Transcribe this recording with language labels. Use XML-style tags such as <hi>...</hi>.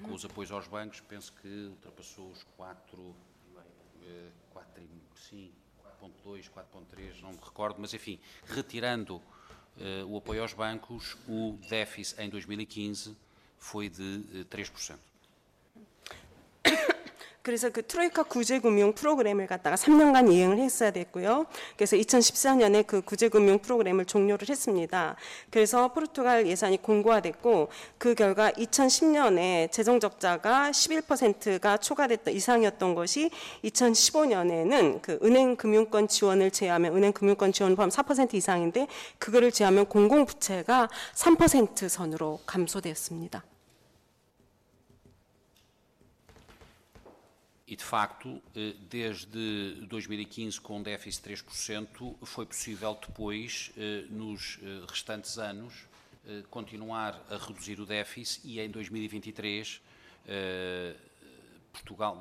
<pt>Com os apoios aos bancos, penso que ultrapassou os 4.3, não me recordo, mas enfim, retirando o apoio aos bancos, o déficit em 2015 foi de 3%.</pt> <ko>그래서 그 트로이카 구제금융 프로그램을 갖다가 3년간 이행을 했어야 됐고요. 그래서 2014년에 그 구제금융 프로그램을 종료를 했습니다. 그래서 포르투갈 예산이 공고화됐고 그 결과 2010년에 재정적자가 11%가 초과됐던 이상이었던 것이 2015년에는 그 은행 금융권 지원을 제외하면 은행 금융권 지원 포함 4% 이상인데 그거를 제외하면 공공부채가 3% 선으로 감소되었습니다.</ko> <pt>E, de facto, desde 2015, com um déficit de 3%, foi possível depois, nos restantes anos, continuar a reduzir o déficit e, em 2023, Portugal...</pt>